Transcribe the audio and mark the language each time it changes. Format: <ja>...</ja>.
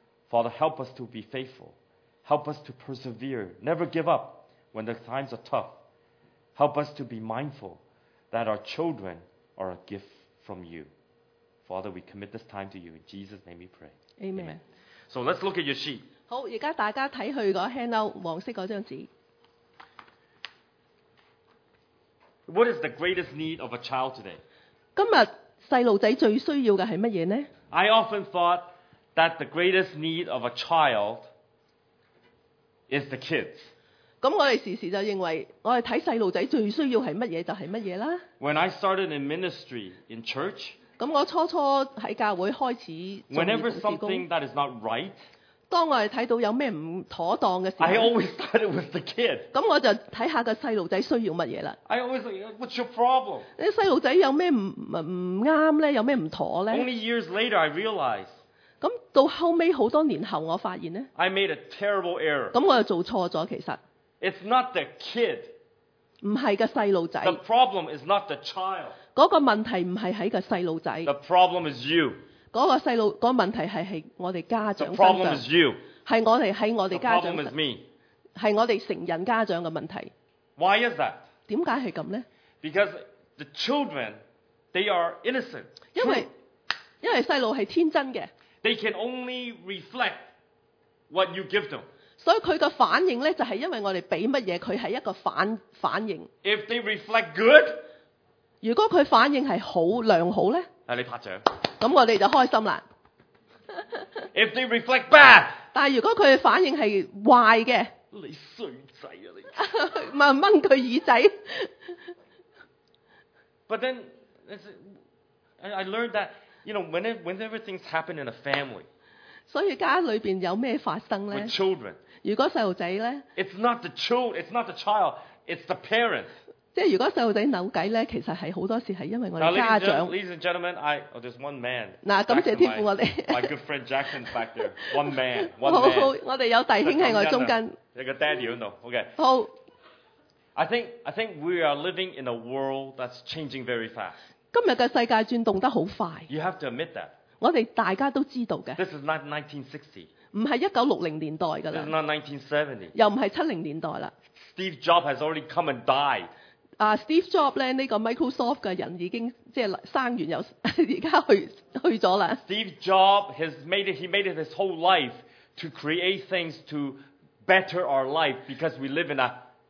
<en>Father, help us to be faithful. Help us to persevere. Never give up. When the times are tough, help us to be mindful that our children are a gift from you. Father, we commit this time to you. In Jesus' name we pray. Amen. Amen. So let's look at your sheet.</en> <yue>好，而家大家睇去個 handout 黃色嗰張紙。</yue> <en>What is the greatest need of a child today?</en> <yue>今日細路仔最需要嘅係乜嘢呢</yue> <en>？I often thought that the greatest need of a child is the kids.</en> <yue>咁我哋時時就認為，我哋睇細路仔最需要係乜嘢就係乜嘢啦。</yue> <en>When I started in ministry in church，</en> <yue>咁我初初喺教會開始做事工。</yue> <en>Whenever something that is not right，</en> <yue>當我哋睇到有咩唔妥當嘅時候</yue> <en>，I always started with the kid。</en> <yue>咁我就睇下個細路仔需要乜嘢啦。</yue> <en>I always think, what's your problem？</en> <yue>你細路仔有咩唔啱咧？有咩唔妥咧</yue> <en>？Only years later I realized。</en> <yue>咁到後屘好多年後，我發現咧</yue> <en>，I made a terrible error。</en> <yue>咁我就做錯咗，其實。</yue> <en>It's not the kid.</en> <yue>唔係個細路仔。</yue> <en>The problem is not the child.</en> <yue>嗰個問題唔係喺個細路仔。</yue> <en>The problem is you.</en> <yue>嗰個細路嗰問題係我哋家長。</yue> <en>The problem is you.</en> <yue>係我哋喺我哋家長。</yue> <en>The problem is me.</en> <yue>係我哋成人家長嘅問題。</yue> <en>Why is that?</en> <yue>點解係咁咧</yue> <en>？Because the children, they are innocent.</en> <yue>因為細路係天真嘅。</yue> <en>They can only reflect what you give them.</en> <yue>所以佢嘅反應咧，就係因為我哋俾乜嘢，佢係一個反應。</yue> <en>If they reflect good，</en> <yue>如果佢反應係好良好咧，啊你拍掌，咁我哋就開心啦。</yue> <en>If they reflect bad，</en> <yue>但係如果佢反應係壞嘅，你衰仔啊你，咪掹佢耳仔。</yue> <en>But then I learned that you know whenever things happen in a family。</en> <yue>所以家裏邊有咩發生咧</yue> <en>？With children，</en> <yue>如果細路仔咧</yue> <en>，It's not the child， it's not the child， it's the parent。</en> <yue>即係如果細路仔扭計咧，其實係好多時係因為我哋家長。</yue> <en>Ladies and gentlemen， I oh there's one man。</en> <yue>嗱，感謝天父我哋。</yue> <en>My good friend Jackson's back there， one man， one man。 好，</en> <yue>我哋有弟兄喺我中間。有個 daddy 喺度 ，OK。好。</yue> <en>I think we are living in a world that's changing very fast。</en> <yue>今日嘅世界轉動得好快。</yue> <en>You have to admit that。</en> <yue>我哋大家都知道嘅。</yue> <en>This is not 1960。</en> <yue>唔係1960年代㗎啦。</yue> <en>This is not 1970。</en> <yue>又唔係70年代啦。</yue> <en>Steve Jobs has already come and died。</en> <yue>Steve Jobs 咧呢個 Microsoft 嘅人已經即係生完又而家去咗啦。</yue> <en>Steve Jobs has made it. He made it his whole life to create things to better our life because we live in a</en>